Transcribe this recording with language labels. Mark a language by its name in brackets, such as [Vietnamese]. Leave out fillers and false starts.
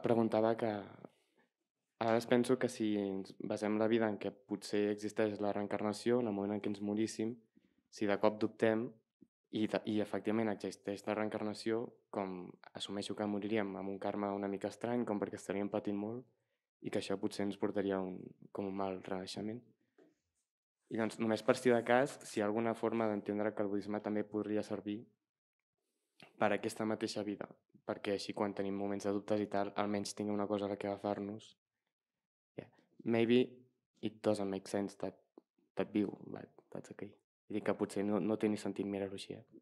[Catalan] Preguntava que, ara penso que si ens basem la vida en que potser existeix la reencarnació, en el moment en què ens moríssim, si de cop dubtem i efectivament existeix la reencarnació, com assumeixo que moriríem amb un karma una mica estrany, com perquè estaríem patint molt, i que això potser ens portaria com un mal renaixement. I doncs, només per si de cas, si hi ha alguna forma d'entendre que el budisme també podria servir per aquesta mateixa vida, perquè així quan tenim moments de dubtes i tal, almenys tinguem una cosa a la que agafar-nos. [English] Yeah. Maybe it doesn't make sense that view, but that's okay. [Catalan] I dic que potser no té ni sentit mirar-ho així.